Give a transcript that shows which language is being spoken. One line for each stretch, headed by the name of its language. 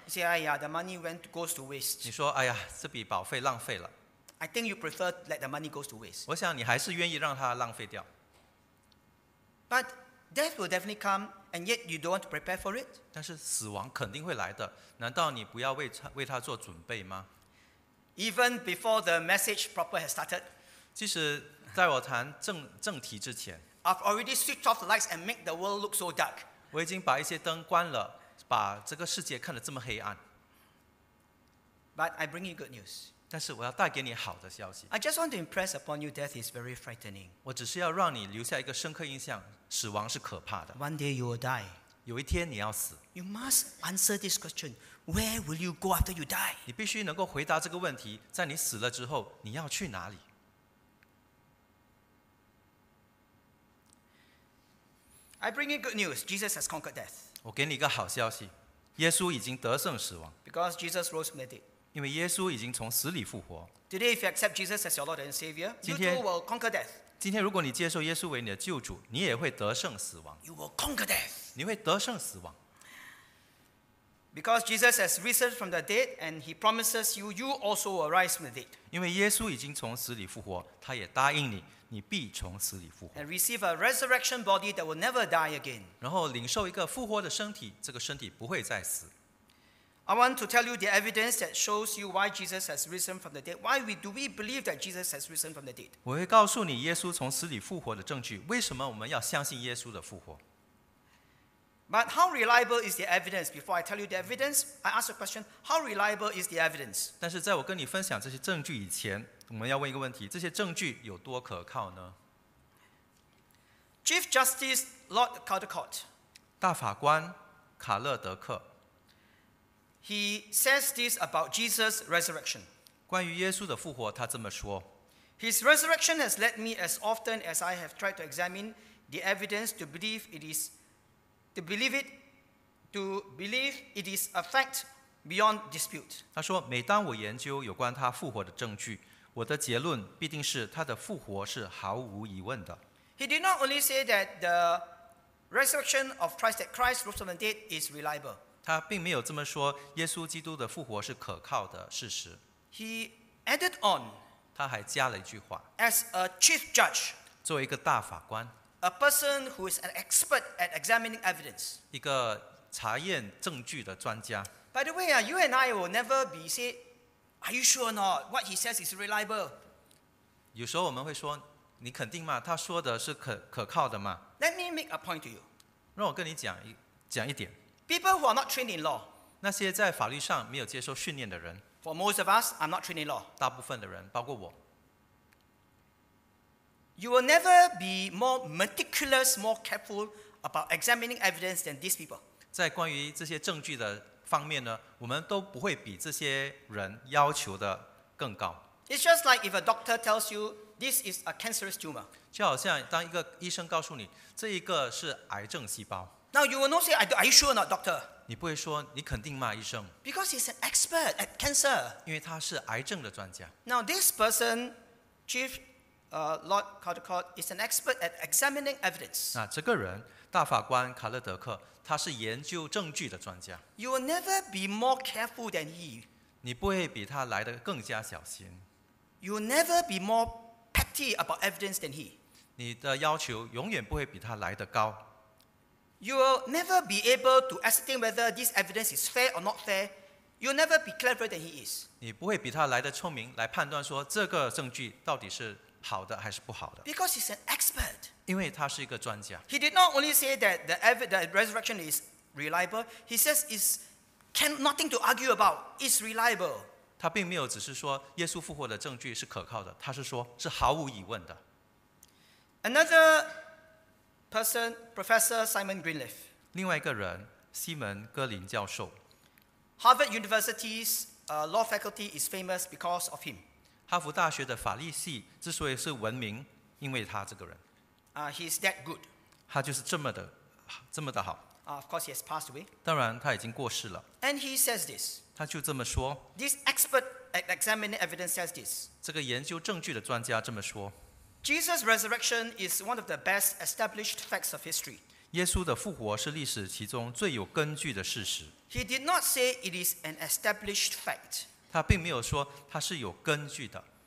English: You say,
Chinese: 哎呀,
English: the money went goes to waste.
Chinese: 你说，哎呀，这笔保费浪费了。
English: I think you prefer let the money goes to waste.
Chinese: 我想你还是愿意让它浪费掉。
English: But death will definitely come, and yet you don't want to prepare for it.
Chinese: 但是死亡肯定会来的，难道你不要为它做准备吗？
English: Even before the message proper has started.
Chinese: 即使在我谈正题之前。
English: I've already switched off the lights and make the world look so dark.
Chinese: 我已经把一些灯关了，把这个世界看得这么黑暗。
English: But I bring you good news.
Chinese: 但是我要带给你好的消息。
English: I just want to impress upon you, death is very frightening.
Chinese: 我只是要让你留下一个深刻印象，死亡是可怕的。
English: One day you will die.
Chinese: 有一天你要死。
English: You must answer this question. Where will you go after you die?
Chinese: 你必须能够回答这个问题，在你死了之后，你要去哪里？
English: I bring you good news. Jesus has conquered death.
Chinese: 我给你一个好消息，耶稣已经得胜死亡。
English: Because Jesus rose from the dead.
Chinese: 因为耶稣已经从死里复活。
English: Today, if you accept Jesus as your Lord and Savior, you too will conquer death.
Chinese: 今天如果你接受耶稣为你的救主，你也会得胜死亡。
English: You will conquer death.
Chinese: 你会得胜死亡。
English: Because Jesus has risen from the dead, and He promises you, you also will rise from the dead.
Chinese: 因为耶稣已经从死里复活，他也答应你，你必从死里复活。
English: And receive a resurrection body that will never die again.
Chinese: 然后领受一个复活的身体，这个身体不会再死。
English: I want to tell you the evidence that shows you why Jesus has risen from the dead. Why do we believe that Jesus has risen from the dead?
Chinese: 我会告诉你耶稣从死里复活的证据，为什么我们要相信耶稣的复活。
English: But how reliable is the evidence? Before I tell you the evidence, I ask a question. How reliable is the evidence?
Chinese: 但是在我跟你分享这些证据以前，我们要问一个问题，这些证据有多可靠呢？
English: Chief Justice Lord Caldecott.
Chinese: 大法官卡勒德克。
English: He says this about Jesus' resurrection.
Chinese: 关于耶稣的复活，他这么说。
English: His resurrection has led me, as often as I have tried to examine the evidence, to believe it is a fact beyond dispute.
Chinese: 他说，每当我研究有关他复活的证据，我的结论必定是他的复活是毫无疑问的。
English: He did not only say that the resurrection of Christ, that Christ rose from the dead, is reliable.
Chinese: 他并没有这么说，耶稣基督的复活是可靠的事实。
English: He added on.
Chinese: 他还加了一句话。
English: As a chief judge.
Chinese: 作为一个大法官。
English: A person who is an expert at examining evidence.
Chinese: 一个查验证据的专家。
English: By the way, you and I will never be said, "Are you sure or not? What he says is reliable?"
Chinese: 有时候我们会说，你肯定吗？他说的是可靠的吗
English: ？Let me make a point to you.
Chinese: 让我跟你讲一点。
English: People who are not trained in law.
Chinese: 那些在法律上没有接受训练的人。
English: For most of us, I'm not trained in law.
Chinese: 大部分的人，包括我。
English: You will never be more meticulous, more careful about examining evidence than these people.
Chinese: 在关于这些证据的方面呢，我们都不会比这些人要求的更高。
English: It's just like if a doctor tells you this is a cancerous tumor.
Chinese: 就好像当一个医生告诉你这一个是癌症细胞。
English: Now you will not say, "Are you sure or not, doctor?"
Chinese: 你不会说你肯定吗，医生
English: ？Because he's an expert at cancer.
Chinese: 因为他是癌症的专家。
English: Now this person, Chief, Lord Caldecott, is an expert at examining evidence.
Chinese: 那这个人，大法官卡勒德克，他是研究证据的专家。
English: You will never be more careful than he.
Chinese: 你不会比他来得更加小心。
English: You will never be more petty about evidence than he.
Chinese: 你的要求永远不会比他来得高。
English: You will never be able to ascertain whether this evidence is fair or not fair. You'll never be cleverer than he is.
Chinese: 你不会比他来得聪明，来判断说这个证据到底是好的还是不好的。
English: Because he's an expert.
Chinese: 因为他是一个专家。
English: He did not only say that the resurrection is reliable. He says it's can nothing to argue about. It's reliable.
Chinese: 他并没有只是说耶稣复活的证据是可靠的，他是说是毫无疑问的。
English: Another person, Professor Simon Greenleaf.
Chinese: 另外一个人，西门·戈林教授。
English: Harvard University's law faculty is famous because of him.
Chinese: 哈佛大学的法律系之所以是闻名，因为他这个人。
English: He's that good.
Chinese: 他就是这么的好。
English: Of course, he has passed away.
Chinese: 当然，他已经过世了。
English: And he says this.
Chinese: 他就这么说。
English: This expert examining evidence says this.
Chinese: 这个研究证据的专家这么说。
English: Jesus' resurrection is one of the best established facts of history.
Chinese: 耶稣的复活是历史其中最有根据的事实。
English: He did not say it is an established fact.
Chinese: 他并没有说它是有根据的。